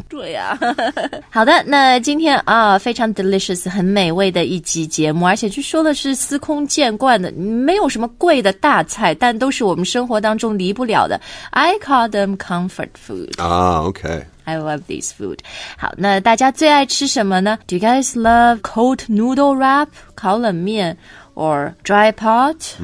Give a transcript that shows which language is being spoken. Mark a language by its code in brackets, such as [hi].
[zh] 对啊。好的，那今天啊，非常 delicious, 很美味的一集节目，而且就说的是司空见惯的，没有什么贵的大菜，但都是我们生活当中离不了的。 [en] I call themComfort food. Okay. I love this food. [zh] 好，那大家最爱吃什么呢？ [en] Do you guys love cold noodle wrap? 烤冷面 or dry pot?